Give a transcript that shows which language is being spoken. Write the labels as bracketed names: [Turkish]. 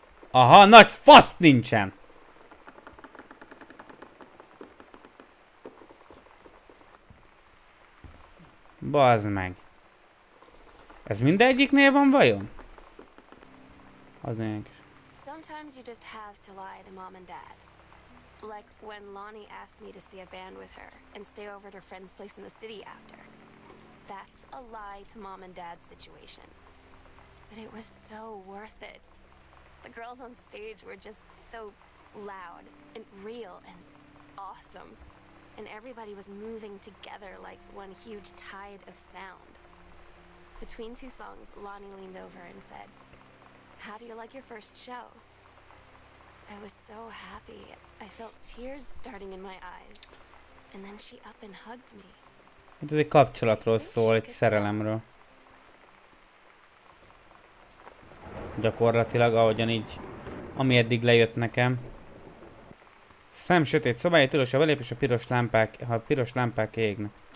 [Hungarian] Aha, nagy fasz nincsen! Bazd meg. Ez mindegyiknél van vajon? Az nélkül is. [English] Sometimes you just have to lie to mom and dad. Like when Lonnie asked me to see a band with her and stay over at her friend's place in the city after. That's a lie to mom and dad situation. But it was so worth it. The girls on stage were just so loud and real and awesome. And everybody was moving together like one huge tide of sound. Between two songs, Lonnie leaned over and said, "How do you like your first show?" I was so happy. I felt tears starting in my eyes. And then she up and hugged me. [Hungarian] Itt ez egy kapcsolatról szól, egy szerelemről. Gyakorlatilag, ahogyan így, ami eddig lejött nekem. Szem sötét szobája, tilos a belépés, ha a piros lámpák égnek.